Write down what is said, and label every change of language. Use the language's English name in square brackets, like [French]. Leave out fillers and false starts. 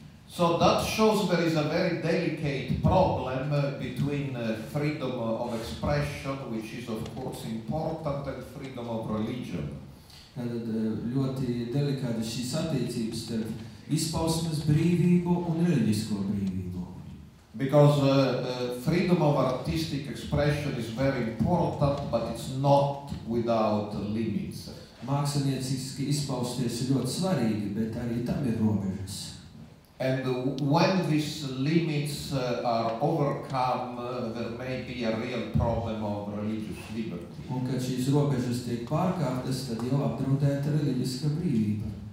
[English] So that shows there is a very delicate problem between freedom of expression, which is of course important, and freedom of religion. [Latvian] Tātad ļoti delikāta šīs attiecības starp izpausmes brīvību un reliģisko brīvību. [English] Because freedom of artistic expression is very important, but it's not without limits. [Latvian] Mākslinieciski izpausties ir ļoti svarīgi, bet arī tam ir robežas. [English] And when these limits are overcome, there may be a real problem of religious liberty. [Latvian] Un kad šīs robežas tiek pārkārtas, tad jau apdraudēta reliģiska brīvība.